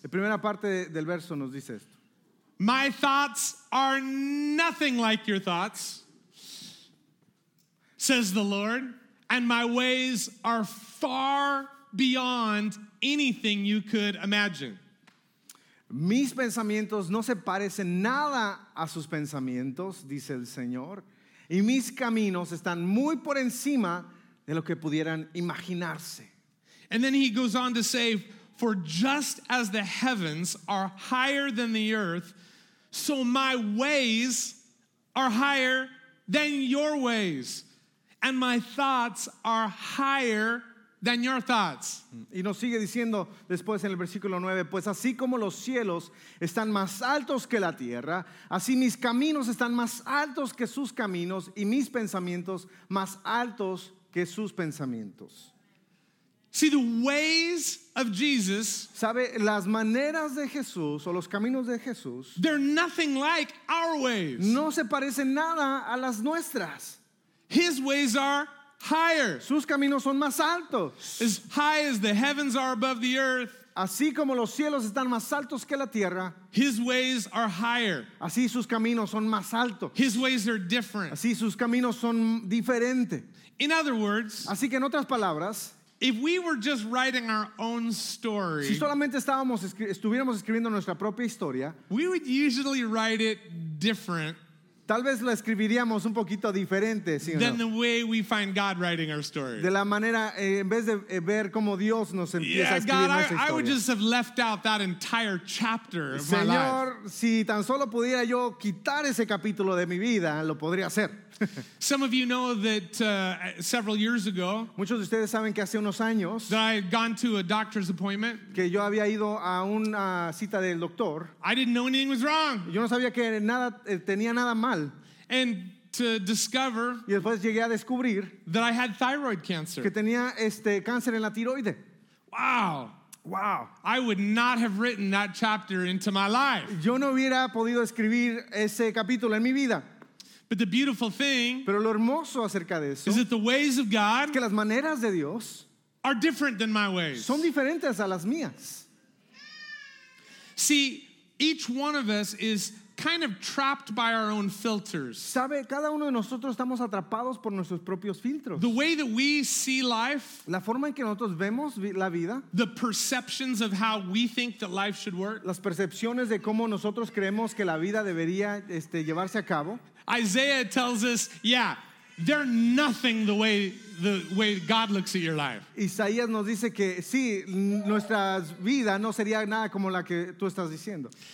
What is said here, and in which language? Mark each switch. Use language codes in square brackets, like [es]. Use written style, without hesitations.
[es] La primera parte del verso nos dice esto. [en] My thoughts are nothing like your thoughts, says the Lord, and my ways are far beyond anything you could imagine. [es] Mis pensamientos no se parecen nada a sus pensamientos, dice el Señor, y mis caminos están muy por encima de lo que pudieran imaginarse. [en] And then he goes on to say, for just as the heavens are higher than the earth, so my ways are higher than your ways, and my thoughts are higher than your thoughts. [es] Y nos sigue diciendo después en el versículo 9, pues así como los cielos están más altos que la tierra, así mis caminos están más altos que sus caminos, y mis pensamientos más altos que sus pensamientos. [en] See the ways of Jesus. [es] Sabe las maneras de Jesús o los caminos de Jesús. [en] They're nothing like our ways. [es] No se parecen nada a las nuestras. [en] His ways are higher. [es] Sus caminos son más altos. [en] As high as the heavens are above the earth. [es] Así como los cielos están más altos que la tierra. [en] His ways are higher. [es] Así sus caminos son más altos. [en] His ways are different. [es] Así sus caminos son diferentes. [en] In other words. [es] Así que en otras palabras. [en] If we were just writing our own story, [es] si solamente estuviéramos escribiendo nuestra propia historia, [en] we would usually write it different. [es] Tal vez lo escribiríamos un poquito diferente, ¿sí o no? [en] Than the way we find God writing our story. [es] De la manera en vez de ver cómo Dios nos empieza a escribir nuestra historia. [en] I would just have left out that entire chapter of my life. [es] Señor, si tan solo pudiera yo quitar ese capítulo de mi vida, lo podría hacer. [en] Some of you know that several years ago, [es] muchos de ustedes saben que hace unos años, [en] that I had gone to a doctor's appointment, [es] que yo había ido a una cita del doctor. [en] I didn't know anything was wrong. [es] Yo no sabía que nada tenía nada mal. [en] And to discover, [es] y después llegué a descubrir, [en] that I had thyroid cancer, [es] que tenía cáncer en la tiroide. [en] Wow. Wow. I would not have written that chapter into my life. [es] Yo no hubiera podido escribir ese capítulo en mi vida. [en] But the beautiful thing, [es] pero lo hermoso acerca de eso, [en] is that the ways of God, [es] es que las maneras de Dios, [en] are different than my ways. [es] Son diferentes a las mías. [en] See, each one of us is kind of trapped by our own filters. [es] Sabe, cada uno de nosotros estamos atrapados por nuestros propios filtros. [en] The way that we see life, [es] la forma en que nosotros vemos la vida, [en] the perceptions of how we think that life should work, [es] las percepciones de cómo nosotros creemos que la vida debería llevarse a cabo. [en] Isaiah tells us, yeah, they're nothing the way God looks at your life. [es] Isaías nos dice que sí, nuestra vida no sería nada como la que tú estás diciendo.